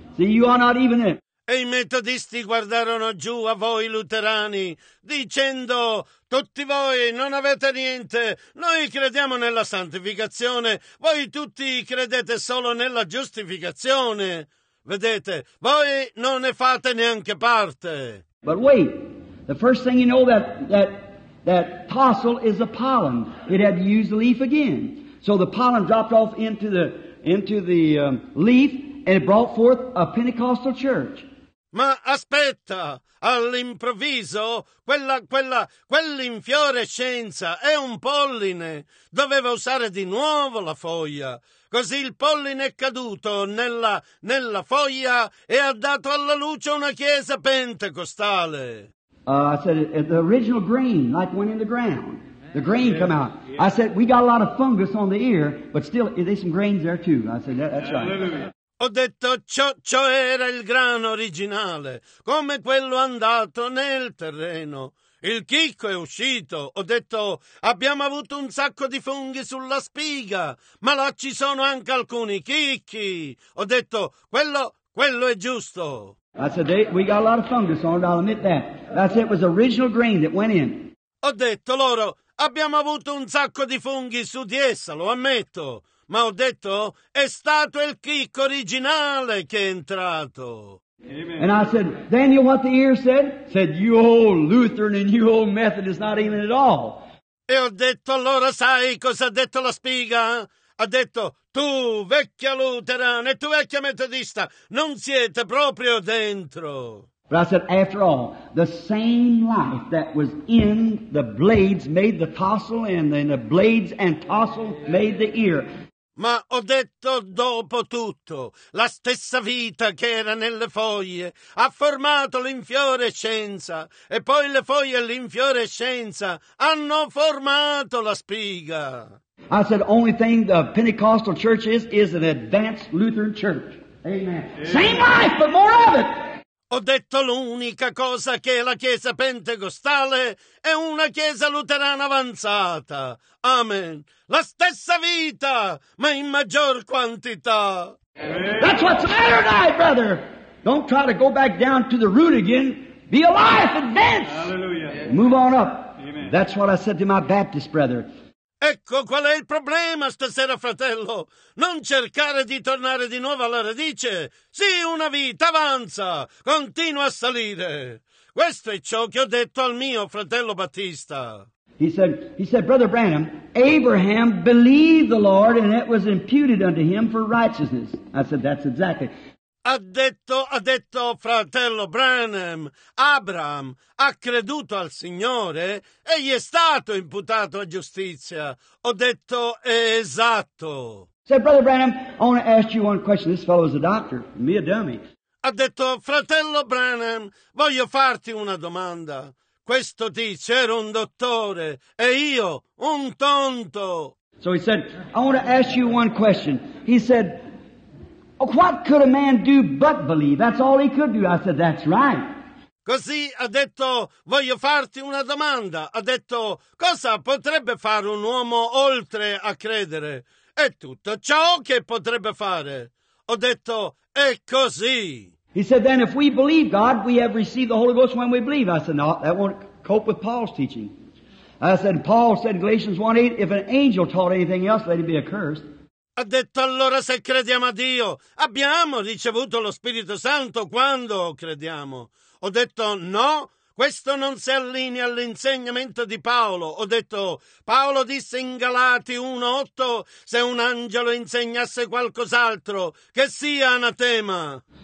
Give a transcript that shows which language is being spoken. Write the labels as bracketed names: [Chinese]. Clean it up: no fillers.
[English] See, you are not even it. [Italian] E i metodisti guardarono giù a voi luterani, dicendo, tutti voi non avete niente. Noi crediamo nella santificazione. Voi tutti credete solo nella giustificazione. Vedete, voi non ne fate neanche parte. [English] But wait, the first thing you know that tassel is a pollen. It had to use the leaf again. So the pollen dropped off into the leaf and it brought forth a Pentecostal church. [Italian] Ma aspetta! All'improvviso quell'infiorescenza è un polline. Doveva usare di nuovo la foglia. Così il polline è caduto nella foglia e ha dato alla luce una chiesa pentecostale. [English] I said, the original grain, like went in the ground. The grain come out. I said, we got a lot of fungus on the ear, but still, there's some grains there too. I said, that's right. [Italian] Ho detto, ciò era il grano originale, come quello andato nel terreno. Il chicco è uscito. Ho detto, abbiamo avuto un sacco di funghi sulla spiga, ma là ci sono anche alcuni chicchi. Ho detto, quello è giusto. [English] I said, we got a lot of fungus on it, I'll admit that. That's it, it was the original grain that went in. [Italian] Ho detto loro, abbiamo avuto un sacco di funghi su di essa, lo ammetto. Ma ho detto, è stato il chicco originale che è entrato. Amen. [English] And I said, Daniel, what the ear said? Said, you old Lutheran and you old Methodist, not even at all. [Italian] E ho detto, allora sai cosa ha detto la spiga? Ha detto, tu vecchia luterana e tu vecchia metodista, non siete proprio dentro. [English] But I said, after all, the same life that was in the blades made the tassel, and then the blades and tassel made the ear. [Italian] Ma ho detto, dopo tutto, la stessa vita che era nelle foglie ha formato l'infiorescenza, e poi le foglie e l'infiorescenza hanno formato la spiga. [English] I said, only thing the Pentecostal church is an advanced Lutheran church. Amen. Same life, but more of it. [Italian] Ho detto, l'unica cosa che la Chiesa Pentecostale è una Chiesa Luterana avanzata. Amen. La stessa vita, ma in maggior quantità. [English] That's what's the matter tonight, brother. Don't try to go back down to the root again. Be alive, advance. Hallelujah. Move on up. Amen. That's what I said to my Baptist brother. [Italian] Ecco qual è il problema stasera, fratello. Non cercare di tornare di nuovo alla radice. Sii una vita, avanza, continua a salire. Questo è ciò che ho detto al mio fratello Battista. [English] He said, Brother Branham, Abraham believed the Lord and it was imputed unto him for righteousness. I said, that's exactly. [Italian] Ha detto fratello Branham, Abraham ha creduto al Signore e gli è stato imputato a giustizia. Ho detto, esatto. [English] Said, Brother Branham, I want to ask you one question. This fellow is a doctor, me a dummy. [Italian] Ha detto, fratello Branham, voglio farti una domanda. Questo tizio era un dottore e io un tonto. [English] So he said, I want to ask you one question. He said, what could a man do but believe? That's all he could do. I said, that's right. [Italian] Così ha detto, voglio farti una domanda. Ha detto, cosa potrebbe fare un uomo oltre a credere? È tutto ciò che potrebbe fare. Ho detto, è così. [English] He said, then if we believe God, we have received the Holy Ghost when we believe. I said, no, that won't cope with Paul's teaching. I said, Paul said in Galatians 1:8, if an angel taught anything else, let him be accursed. [Italian] Ha detto, allora se crediamo a Dio, abbiamo ricevuto lo Spirito Santo quando crediamo. Ho detto, no, questo non si allinea all'insegnamento di Paolo. Ho detto, Paolo disse in Galati 1:8, se un angelo insegnasse qualcos'altro, che sia anatema.